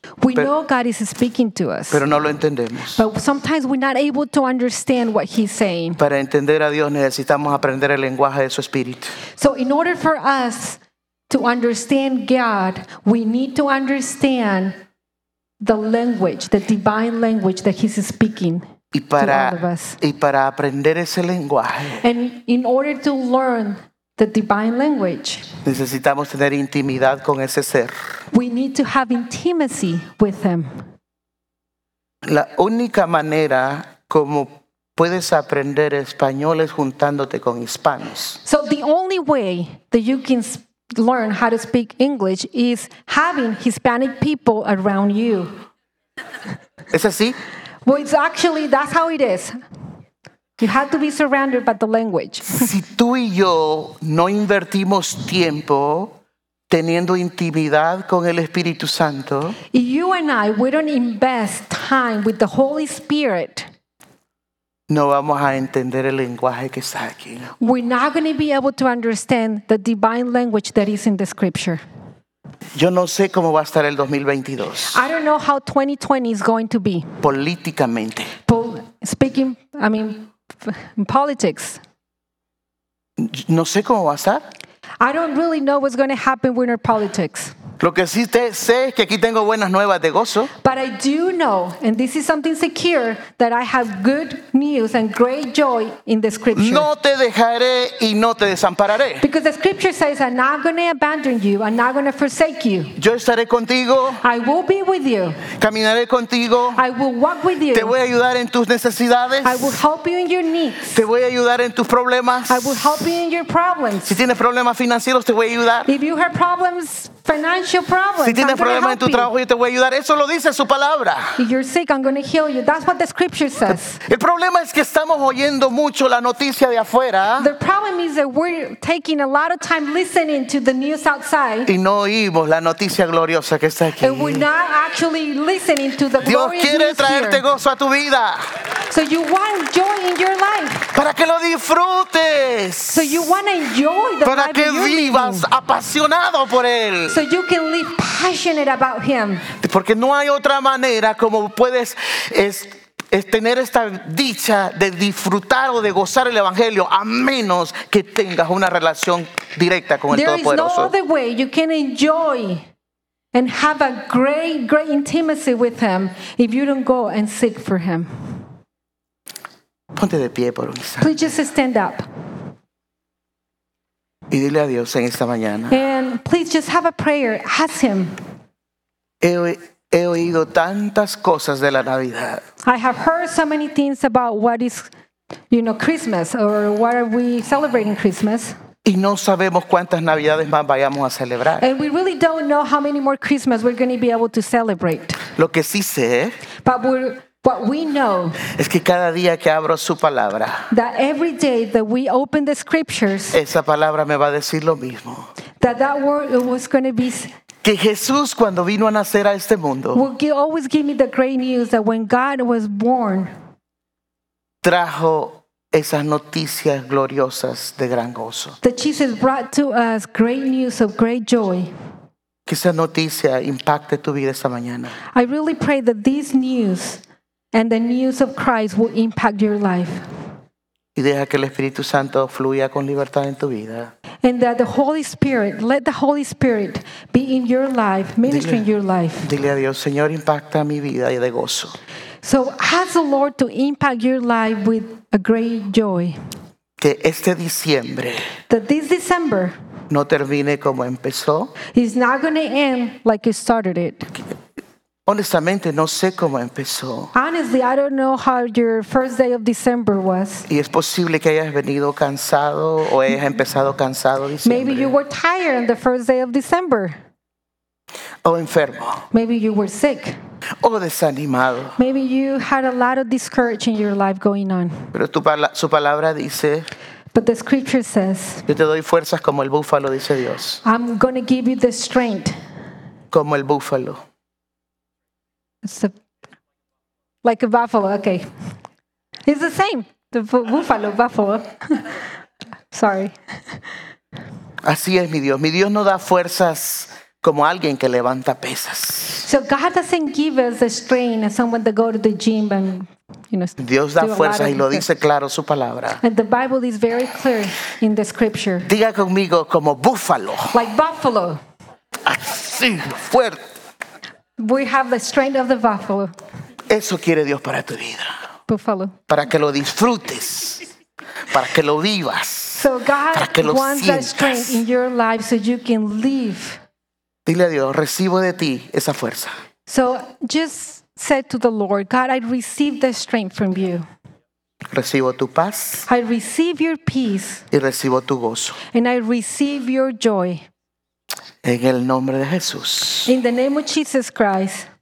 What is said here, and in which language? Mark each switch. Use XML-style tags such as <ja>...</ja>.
<en>We know God is speaking to us.</en> <es>Pero no lo entendemos.</es> <en>But sometimes we're not able to understand what he's saying.</en> <es>Para entender a Dios necesitamos aprender el lenguaje de su espíritu.</es> <en>So in order for us to understand God, we need to understand the language, the divine language that he's speaking to all of us.</en> <es>Y para aprender ese lenguaje,</es> <en>and in order to learn the divine language,</en> <es>necesitamos tener intimidad con ese ser.</es> <en>We need to have intimacy with him.</en> <es>La única manera como puedes aprender español es juntándote con hispanos.</es> <en>So the only way that you can learn how to speak English is having Hispanic people around you.</en> <es>¿Es así?</es> <en>Well, it's actually, that's how it is. You have to be surrounded by the language.</en> <es>Si tú y yo no invertimos tiempo teniendo intimidad con el Espíritu Santo,</es> <en>if you and I, we don't invest time with the Holy Spirit,</en> <es>no vamos a entender el lenguaje que está aquí.</es> <en>We're not going to be able to understand the divine language that is in the scripture.</en> <es>Yo no sé cómo va a estar el 2022.</es> <en>I don't know how 2020 is going to be.</en> <es>Políticamente.</es> <en>In politics.</en> <es>No sé cómo va a estar.</es> <en>I don't really know what's going to happen with our politics.</en> <es>Lo que sí sé es que aquí tengo buenas nuevas de gozo.</es> <en>But I do know, and this is something secure, that I have good news and great joy in the scripture.</en> <es>No te dejaré y no te desampararé.</es> <en>Because the scripture says, I'm not going to abandon you, I'm not going to forsake you.</en> <es>Yo estaré contigo.</es> <en>I will be with you.</en> <es>Caminaré contigo.</es> <en>I will walk with you.</en> <es>Te voy a ayudar en tus necesidades.</es> <en>I will help you in your needs.</en> <es>Te voy a ayudar en tus problemas.</es> <en>I will help you in your problems.</en> <es>Si tienes problemas financieros, te voy a ayudar.</es> <en>If you have problems financial problems,</en> <es>si tienes problemas en tu trabajo, yo te voy a ayudar. Eso lo dice su palabra.</es> <en>If you're sick, I'm going to heal you. That's what the scripture says.</en> <es>El problema es que estamos oyendo mucho la noticia de afuera.</es> <en>The problem is that we're taking a lot of time listening to the news outside.</en> <es>Y no oímos la noticia gloriosa que está aquí.</es> <en>And we're not actually listening to the glorious news.</en> <es>Dios quiere traerte gozo a tu vida.</es> <en>So you want joy in your life.</en> <es>Para que lo disfrutes.</es> <en>So you want to enjoy the life you're living.</en> <es>Para que vivas apasionado por él.</es> <en>so you can live passionate about him.</en> <es>Porque no hay otra manera como puedes es tener esta dicha de disfrutar o de gozar el evangelio a menos que tengas una relación directa con el Todopoderoso.</es> <en>There is no other way you can enjoy and have a great, great intimacy with him if you don't go and seek for him.</en> <es>Ponte de pie por un instante.</es> <en>Please just stand up.</en> <es>Y dile a Dios en esta mañana.</es> <en>And please just have a prayer. Ask him.</en> <es>He oído tantas cosas de la Navidad.</es> <en>I have heard so many things about what is, you know, Christmas or what are we celebrating Christmas.</en> <es>Y no sabemos cuántas Navidades más vayamos a celebrar.</es> <en>And we really don't know how many more Christmas we're going to be able to celebrate.</en> <es>Lo que sí sé.</es> <en>But what we know.</en> <es>Es que cada día que abro su palabra.</es> <en>That every day that we open the scriptures.</en> <es>Esa palabra me va a decir lo mismo.</es> <en>That word was going to be.</en> <es>Que Jesús cuando vino a nacer a este mundo.</es> <en>Will always give me the great news that when God was born.</en> <es>Trajo esas noticias gloriosas de gran gozo.</es> <en>That Jesus brought to us great news of great joy.</en> <es>Que esa noticia impacte tu vida esta mañana.</es> <en>I really pray that this news and the news of Christ will impact your life.</en> <es>Y deja que el Espíritu Santo fluya con libertad en tu vida.</es> <en>And that the Holy Spirit, let the Holy Spirit be in your life, ministering your life.</en> <es>Dile a Dios, Señor, impacta mi vida y de gozo.</es> <en>So ask the Lord to impact your life with a great joy.</en> <es>Que este diciembre.</es> <en>That this December.</en> <es>No termine como empezó.</es> <en>It's not going to end like it started it.</en> <es>Honestamente, no sé cómo empezó.</es> <en>Honestly, I don't know how your first day of December was.</en> <es>Y es posible que hayas venido cansado o hayas empezado cansado diciembre.</es> <en>Maybe you were tired on the first day of December.</en> <es>O enfermo.</es> <en>Maybe you were sick.</en> <es>O desanimado.</es> <en>Maybe you had a lot of discouragement in your life going on.</en> <es>Pero su palabra dice.</es> <en>But the scripture says.</en> <es>Yo te doy fuerzas como el búfalo, dice Dios.</es> <en>I'm going to give you the strength.</en> <es>Como el búfalo.</es> <en>Like a buffalo, okay. It's the same. The búfalo, buffalo. Sorry.</en> <es>Así es mi Dios. Mi Dios no da fuerzas como alguien que levanta pesas.</es> <en>So God doesn't give us a strain as someone that go to the gym and, you know,</en> <es>Dios da fuerzas y lo dice claro su palabra.</es> <en>And the Bible is very clear in the scripture.</en> <es>Diga conmigo como búfalo.</es> <en>Like buffalo.</en> <es>Así, fuerte.</es> <en>We have the strength of the buffalo.</en> <es>Eso quiere Dios para tu vida.</es> <en>Buffalo.</en> <es>Para que lo disfrutes. Para que lo vivas.</es> <en>So God</en> <es>para que lo</es> <en>wants</en> <es>sientas.</es> <en>That strength in your life so you can live.</en> <es>Dile a Dios, recibo de ti esa fuerza.</es> <en>So just say to the Lord, God, I receive the strength from you.</en> <es>Recibo tu paz.</es> <en>I receive your peace.</en> <es>Y recibo tu gozo.</es> <en>And I receive your joy.</en> <es>En el nombre de Jesús.</es> <en>In the name of Jesus Christ.</en>